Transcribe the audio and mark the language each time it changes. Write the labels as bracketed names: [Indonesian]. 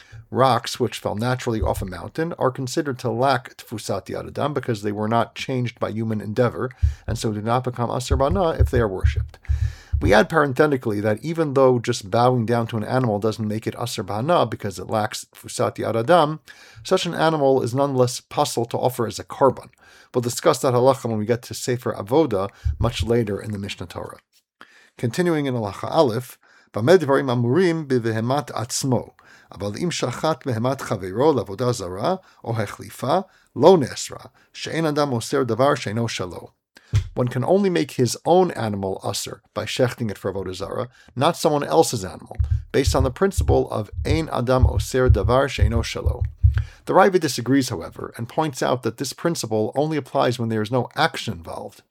[English] Rocks which fell naturally off a mountain are considered to lack tfusat yad adam because they were not changed by human endeavor, and so do not become asur bana if they are worshipped. We add parenthetically that even though just bowing down to an animal doesn't make it asur bana because it lacks tfusat yad adam, such an animal is nonetheless possible to offer as a korban. We'll discuss that halacha when we get to Sefer Avodah much later in the Mishnah Torah. Continuing in [Hebrew] Halacha Aleph, B'me Dvarim Amurim B'Vehemat Atzmo, אבל אם שחט בהמת חברו לעבודה זרה או החליפה, לא נאסרה, שאין אדם אוסר דבר שאינו שלו. [English] One can only make his own animal usser by shechting it for avodah zarah, not someone else's animal, based on the principle of ein adam oser davar sheino shelo. The Raivah disagrees, however, and points out that this principle only applies when there is no action involved.